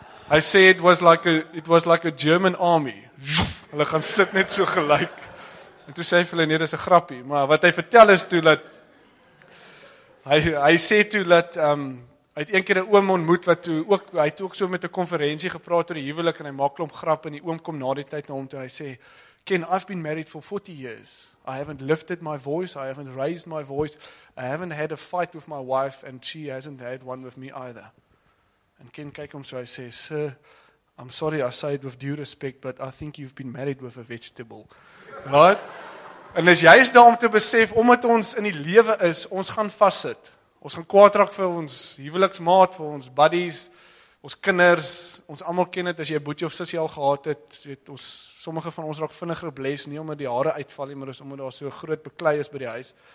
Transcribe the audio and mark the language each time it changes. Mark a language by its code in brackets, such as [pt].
[af] hy sê, [en] it was like a German army, [af] hulle gaan sit net so gelijk, en toe sê, vir hulle, nee, dit is 'n grapie, maar wat hy vertel is toe, dat, hy sê toe, dat, Hy het een keer 'n oom ontmoet wat toe ook hy het ook so met 'n konferensie gepraat oor die huwelik en hy maak klomp grap en die oom kom na die tyd na hom toe en hy sê Ken, [en] I've been married for 40 years. I haven't lifted my voice. I haven't raised my voice. I haven't had a fight with my wife and she hasn't had one with me either. [af] En Ken kyk hom so hy sê [en] sir I'm sorry I say it with due respect but I think you've been married with a vegetable. Right? [af] En as jy is daar om te besef omdat ons in die lewe is, ons gaan vassit. Ons gaan kwaad raak vir ons huweliksmaat, vir ons buddies, ons kinders, ons almal ken dit as jy 'n boetie of sussie al gehad het, het ons sommige van ons raak vinniger bles nie omdat die hare uitval nie, maar is omdat daar so groot beklei is by die huis.